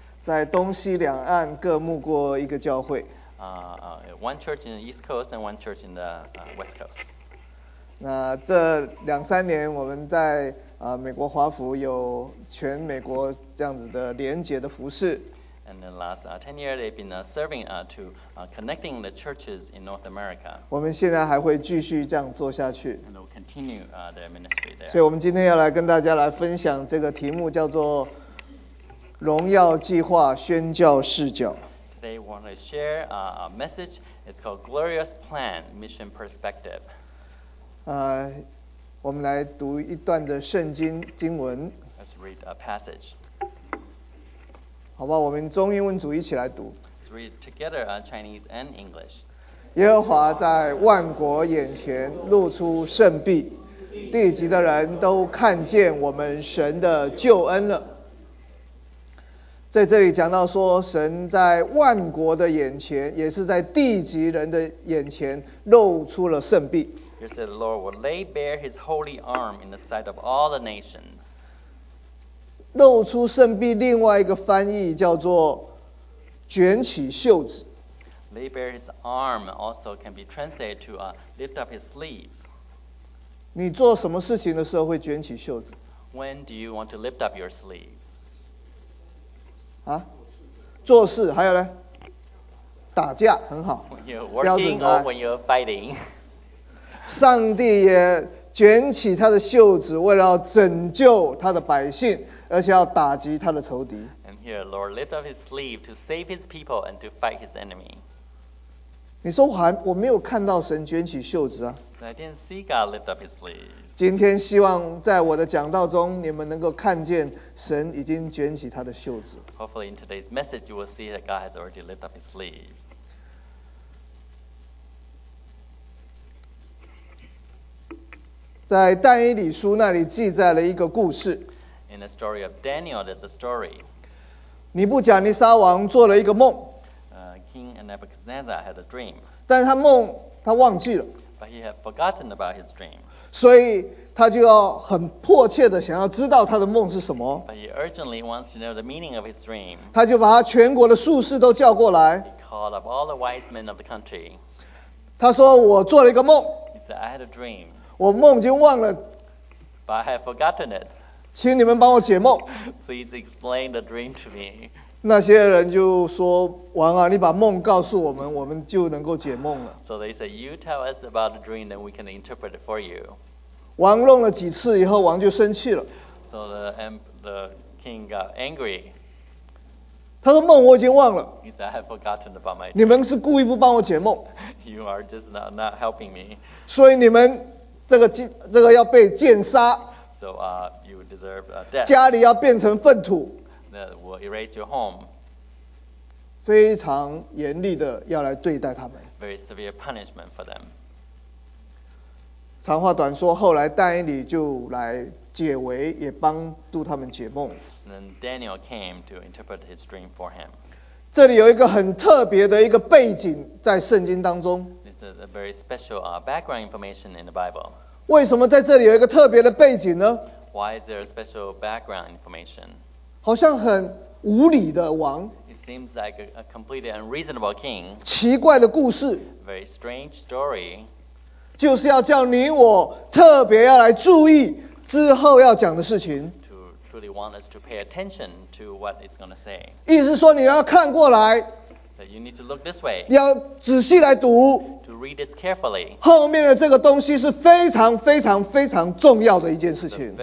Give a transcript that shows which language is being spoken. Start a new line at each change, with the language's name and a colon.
Chinese: 在东西两岸各牧过一个教会。
English: One church in the East Coast and one church in the West Coast.
Chinese: 那这两三年我们在美国华府有全美国这样子的连结的服事。
English: And in the last 10 years, they've been serving to connecting the churches in North America.
Chinese: 我们现在还会继续这样做下去。
English: And we'll continue their ministry there.
Chinese: 所以我们今天要来跟大家来分享这个题目叫做荣耀计划宣教视角。
English: Today, we want to share a message. It's called Glorious Plan Mission Perspective.
Chinese: 我们来读一段的圣经经文。
English: Let's read a passage.
Chinese: 好吧，我们中英文组一起来读。
English: Let's read together, Chinese and English.
Chinese: 耶和华在万国眼前露出圣臂，地极的人都看见我们神的救恩了。在这里讲到说，神在万国的眼前，也是在地极人的眼前露出了圣臂。
English: He said, the Lord will lay bare his holy arm in the sight of all the nations.
Chinese: 露出圣臂另外一个翻译叫做卷起袖子。
English: Lay bare his arm also can be translated to lift up his sleeves.
Chinese: 你做什么事情的时候会卷起袖子？
English: When do you want to lift up your sleeves?
Chinese: 啊？做事，还有呢？打架，很好。
English: When you're working or when you're fighting.
Chinese: 上帝也卷起他的袖子，为了要拯救他的百姓，而且要打击他的仇敌。
English: And here, Lord lift up his sleeve to save his people and to fight his enemy.
Chinese: 你说我没有看到神卷起袖子啊。
English: I didn't see God lift up his sleeve.
Chinese: 今天希望在我的讲道中，你们能够看见神已经卷起他的袖子。
English: Hopefully, in today's message, you will see that God has already lift up his sleeve.
Chinese: 在但以理书那里记载了一个故事。
English: In the story of Daniel, there's a story.
Chinese: 尼布甲尼撒王做了一个梦。
English: King Nebuchadnezzar had a dream.
Chinese: 但他梦他忘记了。
English: But he had forgotten about his dream.
Chinese: 所以他就要很迫切的想要知道他的梦是什么。
English: But he urgently wants to know the meaning of his dream.
Chinese: 他就把他全国的术士都叫过来。
English: He called up all the wise men of the country.
Chinese: 他说我做了一个梦。
English: He said, I had a dream.
Chinese: 我梦已经忘了。
English: But I had forgotten it.
Chinese: 请你们帮我解梦。
English: Please explain the dream to me.
Chinese: 那些人就说王啊你把梦告诉我们我们就能够解梦了
English: So they said you tell us about the dream then we can interpret it for you
Chinese: 王弄了几次以后王就生气了
English: So the king got angry
Chinese: 他说梦我已经忘了
English: He said I have forgotten about my dream
Chinese: 你们是故意不帮我解梦
English: You are just not helping me
Chinese: 所以你们这个要被箭杀
English: So you deserve a death
Chinese: 家里要变成粪土
English: That will erase your home.
Chinese: 非常严厉的要来对待他们。
English: Very severe punishment for them.
Chinese: 长话短说，后来但以理就来解围，也帮助他们解梦。
English: Then Daniel came to interpret his dream for him.
Chinese: 这里有一个很特别的一个背景在圣经当中。
English: This is a very special background information in the Bible.
Chinese: 为什么在这里有一个特别的背景呢
English: ？Why is there a special background information?
Chinese: 好像很无理的王
English: It seems like a completely unreasonable king.
Chinese: 奇怪的故事
English: Very strange story.
Chinese: 就是要叫你我特别要来注意之后要讲的事情
English: To truly want us to pay attention to what it's going to say.
Chinese: 意思说你要看过来
English: That you need to look this way.
Chinese: 你要仔细来读
English: To read this carefully.
Chinese: 后面的这个东西是非常非常非常重要的一件事情